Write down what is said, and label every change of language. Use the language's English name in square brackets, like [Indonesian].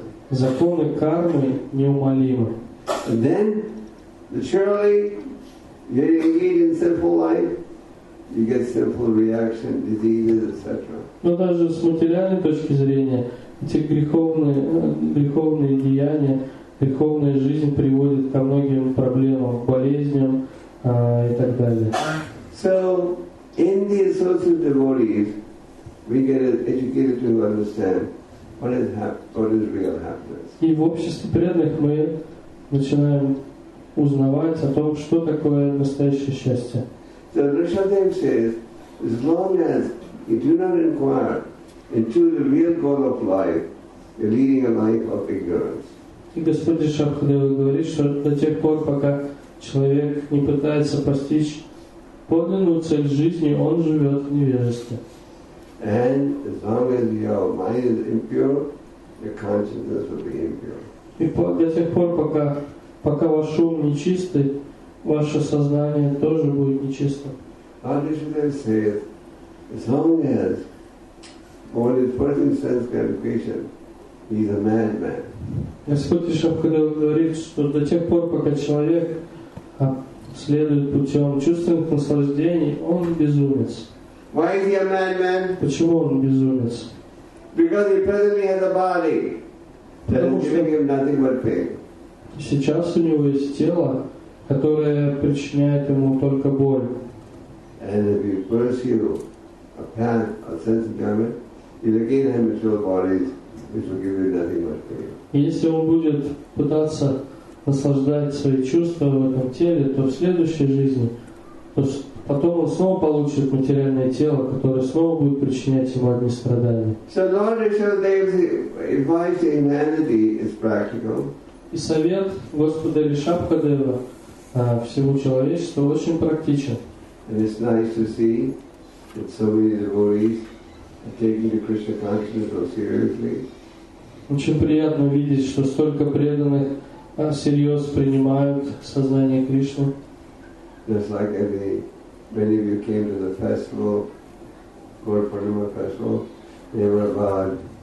[Russian] Законы кармы неумолимы. [English] Then, surely, you engage in sinful life, you get sinful reaction, diseases, etc. [Russian] Но даже с материальной точки зрения, эти греховные деяния, греховная жизнь приводит ко многим проблемам, болезням и так далее. [English] So, in the associated devotees, we get educated to understand what is real happiness. [Russian] И в обществе преданных мы начинаем узнавать о том, что такое настоящее счастье. [English] So, Rishabhdev says, as long as you do not inquire into the real goal of life, you're leading a life of ignorance. [Russian] Господь Шабхадева говорит, что до тех пор, пока человек не пытается постичь подлинную цель жизни, он живет в невежестве. [English] And as long as your mind is impure, your consciousness will be impure. [Russian] И до тех пор, пока ваш ум нечистый, ваше сознание тоже будет нечистым. [English] How does it say it? As long as on his first sense gratification, he's a madman. [Russian] Господь Шабхадева говорит, что до тех пор, пока человек следует путем чувственных наслаждений, он безумец. [English] Why is he a madman? [Russian] Почему он безумец? [English] Because he presently has a body that is giving him nothing but pain. [Russian] Сейчас у него есть тело, которое причиняет ему только боль. [English] And if you pursue a path of sense enjoyment, you'll again have material bodies, which will give you nothing but pain. [Russian] Если он будет пытаться наслаждать свои чувства в этом теле, то в следующей жизни, то потом он снова получит материальное тело, которое снова будет причинять ему одни страдания. [English] So Lord Rishabhdev's advice to humanity is practical. [Russian] И совет Господа Ришабхадева всему человечеству очень практичен. [English] And it's nice to see that so many devotees are taking the Krishna consciousness so seriously. [Russian] Очень приятно видеть, что столько преданных всерьез принимают сознание Кришны. [English] Just like many of you came to the festival, Gaur Purnima festival, they were about